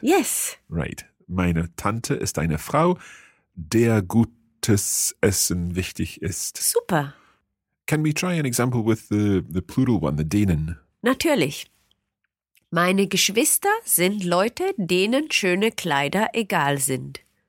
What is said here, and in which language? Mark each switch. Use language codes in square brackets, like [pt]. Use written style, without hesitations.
[en] Yes. Right. [de] Meine Tante ist eine Frau, der gutes Essen wichtig ist. Super. [en] Can we try an example with the plural one, the denen? [de] Natürlich. Meine Geschwister sind Leute, denen schöne Kleider egal sind.